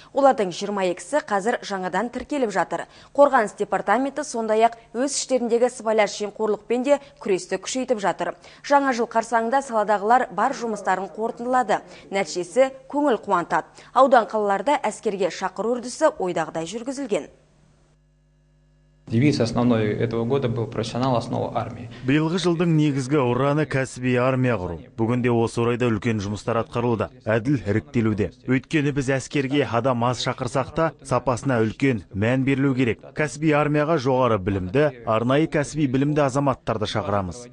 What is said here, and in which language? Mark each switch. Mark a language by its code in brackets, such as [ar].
[kk] Олардың 22-сі қазір жаңадан тіркеліп жатыр. Қорғаныс департаменті сондай ақ өз іштеріндегі сыбайлас жемқорлықпен де күресті күшейтіп жатыр. Жаңа жыл қарсаңында саладағылар бар жұмыстарын қорытындылады. Нәтижесі көңіл қуантады. Аудан қалаларда әскерге шақыру үрдісі ойдағыдай жүргізілген. [ru] Девиз основной этого года был «Профессионал основа армии». [kk] Биылғы жылдың негізгі ұраны кәсіби армия құру. Бүгінде осы орайда үлкен жұмыстар атқарылды, әділ іріктелуде. Өйткені біз әскерге адам аз шақырсақта, сапасына үлкен мән берілу керек. Кәсіби армияға жоғары білімді, арнайы кәсіби білімді азаматтарды шақырамыз.